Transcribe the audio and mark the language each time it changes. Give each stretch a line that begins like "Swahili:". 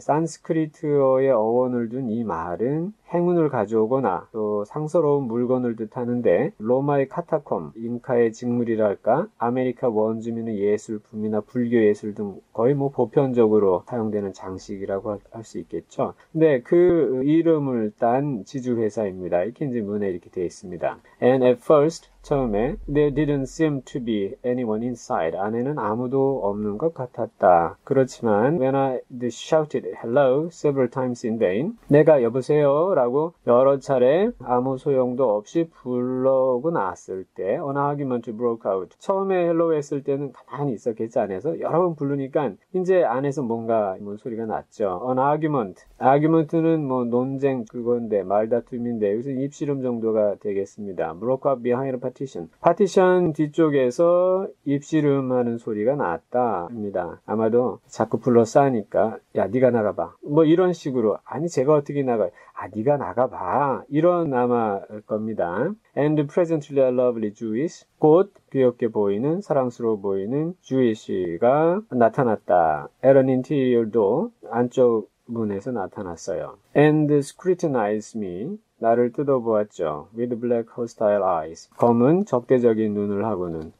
Korean: 산스크리트어의 어원을 둔이 말은 행운을 가져오거나 또 상서로운 물건을 뜻하는데 로마의 카타콤, 잉카의 직물이랄까, 아메리카 원주민의 예술품이나 불교 예술 등 거의 뭐 보편적으로 사용되는 장식이라고 할수 있겠죠. 네, 그 이름을 딴 지주회사입니다. 이렇게 이제 문에 이렇게 되어 있습니다.
English: And at first,
Korean: 처음에
English: there didn't seem to be anyone inside.
Korean: 안에는 아무도 없는 것 같았다. 그렇지만
English: when I shouted hello several times in vain,
Korean: 내가 여보세요 라고 여러 차례 아무 소용도 없이 불러고 났을 때
English: an argument broke out.
Korean: 처음에 hello 했을 때는 가만히 있었겠지 안에서 여러 번 부르니까 이제 안에서 뭔가 뭔 소리가 났죠.
English: an argument.
Korean: argument는 뭐 논쟁 그건데 말다툼인데 여기서 입씨름 정도가 되겠습니다.
English: broke out behind a partition.
Korean: partition 뒤쪽에서 입씨름하는 소리가 났다입니다. 아마도 자꾸 불러싸니까 야 네가 나가봐. 뭐 이런 식으로 아니 제가 어떻게 나가? 아 네가 나가봐 이런 아마 겁니다.
English: And presently a lovely Jewish
Korean: 곧 귀엽게 보이는 사랑스러워 보이는 Jewish가 나타났다.
English: At an interior door
Korean: 안쪽 문에서 나타났어요.
English: And scrutinized me
Korean: 나를 뜯어보았죠.
English: With black hostile eyes
Korean: 검은 적대적인 눈을 하고는.